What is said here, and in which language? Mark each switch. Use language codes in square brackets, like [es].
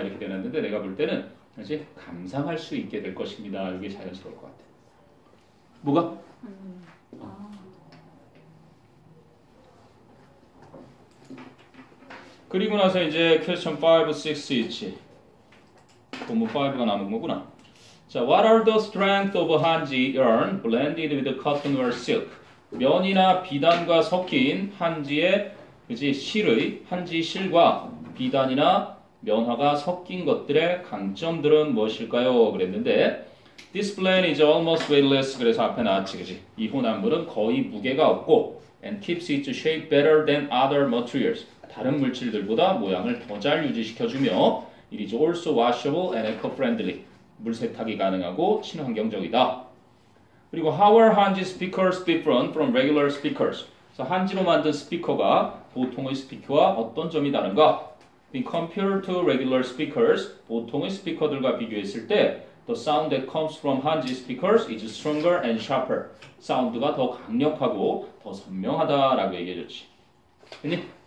[ko] 이렇게 되놨는데 내가 볼 때는 이제 감상할 수 있게 될 것입니다. 이게 자연스러울 것 같아. 뭐가? 그리고 나서 이제 퀘스천 5, 6 있지. 본문 5가 남은 거구나. [en] 자, What are the strengths of Hanji yarn blended with cotton or silk? [ko] 면이나 비단과 섞인 한지의 그지 실의 한지 실과 비단이나 면화가 섞인 것들의 강점들은 무엇일까요? 그랬는데 [en] This blend is almost weightless. [ko] 그래서 앞에 나왔지, 그지? 이 혼합물은 거의 무게가 없고 [en] and keeps its shape better than other materials. [ko] 다른 물질들보다 모양을 더 잘 유지시켜주며 [en] It is also washable and eco-friendly. [ko] 물 세탁이 가능하고 친환경적이다. 그리고 [en] How are Hanji speakers different from regular speakers? [ko] 그래서 한지로 만든 스피커가 보통의 스피커와 어떤 점이 다른가? [en] In compared to regular speakers, [ko] 보통의 스피커들과 비교했을 때 [en] The sound that comes from Hanji speakers is stronger and sharper. [ko] 사운드가 더 강력하고 더 선명하다라고 얘기해줬지. 됐니?